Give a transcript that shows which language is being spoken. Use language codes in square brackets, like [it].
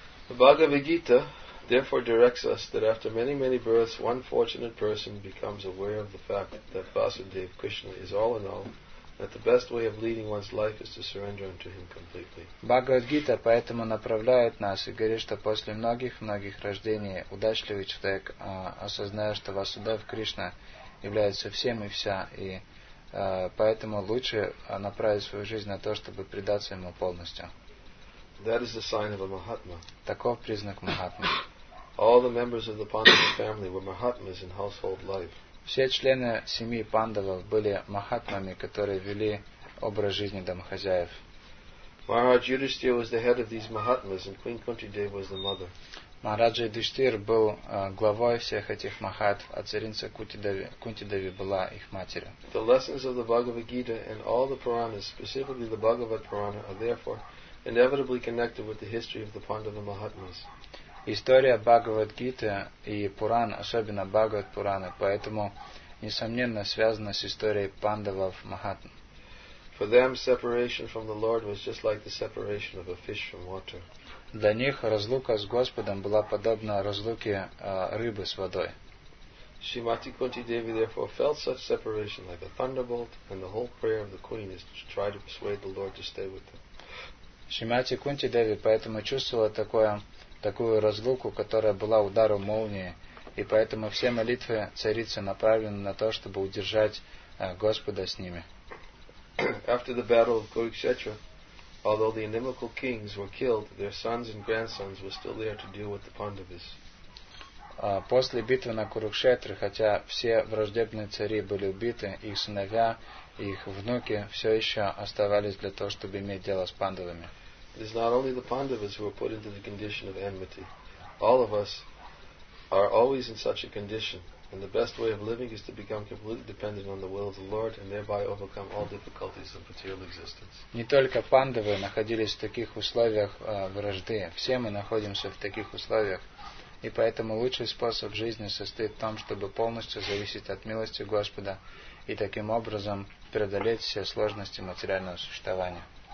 [en] Бхагавад-гита therefore directs us that after many, many births, one fortunate person becomes aware of the fact that Vasudeva Krishna is all in all, that the best way of leading one's life is to surrender unto him completely. [ru] Бхагавад-гита поэтому направляет нас и говорит, что после многих-многих рождений удачливый человек осознает, что Васудев Кришна является всем и вся, и поэтому лучше направить свою жизнь на то, чтобы предаться ему полностью. [en] That is the sign of a mahatma. [ru] Таков признак махатмы. [en] All the members of the Pandava family were mahatmas in household life. [ru] Все члены семьи Пандавов были махатмами, которые вели образ жизни домохозяев. [en] Maharaj Yudhishthira was the head of these mahatmas, and Queen Kunti Devi was the mother. [ru] Махараджа Юдхиштхир был главой всех этих махат, а царица Кунти Деви была их матерью. [en] The lessons of the Bhagavad Gita and all the Puranas, specifically the Bhagavad Purana, are therefore inevitably connected with the history of the Pandava Mahatmas. [ru] История Бхагавад Гиты и Пуран, особенно Бхагавад Пураны, поэтому несомненно связана с историей Пандавов Махатм. [en] For them, separation from the Lord was just like the separation of a fish from water. [ru] Для них разлука с Господом была подобна разлуке рыбы с водой. [en] Shrimati Kunti Devi therefore felt such separation like a thunderbolt, and the whole prayer of the queen is to try to persuade the Lord to stay with them. [ru] Shrimati Kunti Devi поэтому чувствовала такую разлуку, которая была ударом молнии, и поэтому все молитвы царицы направлены на то, чтобы удержать Господа с ними. [en] After the battle of Kurukshetra, although the inimical kings were killed, their sons and grandsons were still there to deal with the Pandavas. [ru] После битвы на Курукшетре, хотя все враждебные цари были убиты, их сыновья, их внуки все еще оставались для того, чтобы иметь дело с Пандавами. [en] It is not only the Pandavas who were put into the condition of enmity. All of us are always in such a condition. And the best way of living is to become completely dependent on the will of the Lord and thereby overcome all difficulties of material existence. [ru] Не только пандавы находились в таких условиях вражды. Все мы находимся в таких условиях. И поэтому лучший способ жизни состоит в том, чтобы полностью зависеть от милости Господа и таким образом преодолеть все сложности материального существования.